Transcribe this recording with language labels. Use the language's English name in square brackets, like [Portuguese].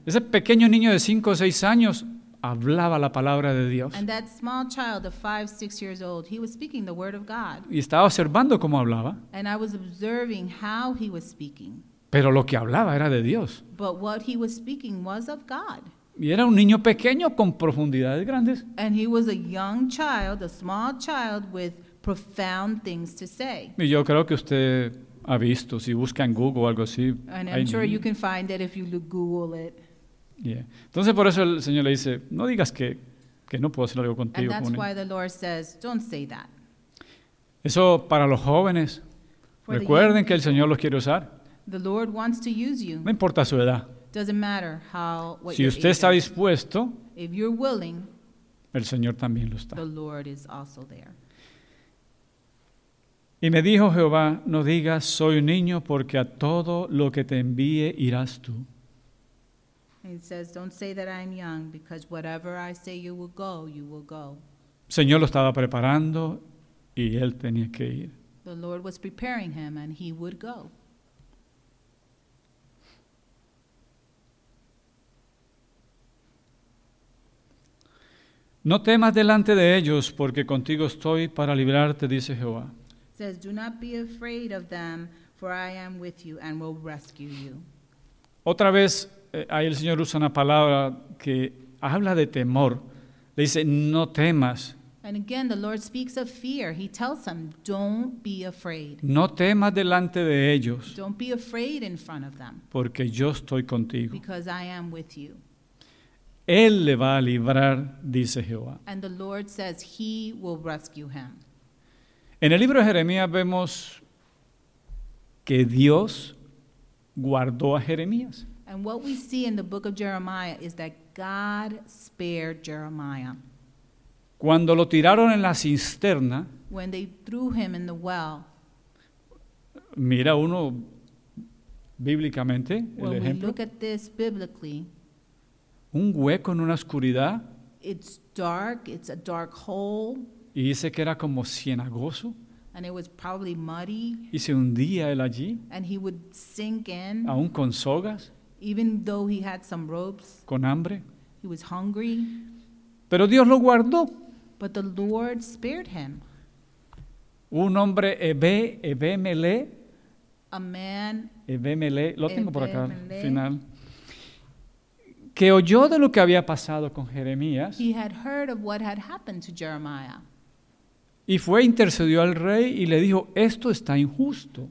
[Spanish] Ese pequeño niño de 5 o 6 años hablaba la palabra de Dios. [English] And that small child of 5, 6 years old, he was speaking the word of God. [Spanish] Y estaba observando cómo hablaba. [English] And I was observing how he was speaking. [Spanish] Pero lo que hablaba era de Dios. [English] But what he was speaking was of God. [Spanish] Y era un niño pequeño con profundidades grandes. [English] And he was a young child, a small child with profound things to say. [Spanish] Y yo creo que usted ha visto, si busca en Google o algo así. [English] And I'm sure you can find it if you Google it. Yeah. [Spanish] Entonces por eso el Señor le dice, no digas que no puedo hacer algo contigo. [English] And that's why the Lord says, don't say that. [Spanish] Eso para los jóvenes. [English] For [Spanish] recuerden que el Señor los quiere usar. [English] The Lord wants to use you. [Spanish] No importa su edad. [English] Doesn't matter how, what [Spanish] si usted está dispuesto, [English] if you're willing, [Spanish] el Señor también lo está. [English] The Lord is also there. [Spanish] Y me dijo Jehová, no digas, soy un niño, porque a todo lo que te envíe irás tú. [English] He says, don't say that I'm young, because whatever I say you will go, you will go. [Spanish] Señor lo estaba preparando y él tenía que ir. [English] The Lord was preparing him and he would go. [Spanish] No temas delante de ellos, porque contigo estoy para librarte, dice Jehová. [English] He says, do not be afraid of them, for I am with you and will rescue you. [Spanish] Otra vez, ahí el Señor usa una palabra que habla de temor. Le dice, no temas. [English] And again, the Lord speaks of fear. He tells them, don't be afraid. [Spanish] No temas delante de ellos. [English] Don't be afraid in front of them. [Spanish] Porque yo estoy contigo. [English] Because I am with you. [Spanish] Él le va a librar, dice Jehová. [English] And the Lord says, he will rescue him. [Spanish] En el libro de Jeremías vemos que Dios guardó a Jeremías. [English] And what we see in the book of Jeremiah is that God spared Jeremiah. [Spanish] Cuando lo tiraron en la cisterna, [English] when they threw him in the well, [Spanish] mira uno bíblicamente el ejemplo. [English] When we look at this biblically, [Spanish] un hueco en una oscuridad, [English] it's dark, it's a dark hole, [Spanish] y dice que era como cienagoso. [English] And it was probably muddy, [Spanish] y se hundía él allí, [English] and he would sink in, [Spanish] aún con sogas. [English] Even though he had some ropes, [Spanish] con hambre, [English] he was hungry. [Spanish] Pero Dios lo guardó. [English] But the Lord spared him. [Spanish] Un hombre, Ebemele. [English] A man. [Spanish] Ebemele. Lo tengo por acá al final. que oyó de lo que había pasado con Jeremías. [English] He had heard of what had happened to Jeremiah. [Spanish] Y fue, intercedió al rey y le dijo, esto está injusto.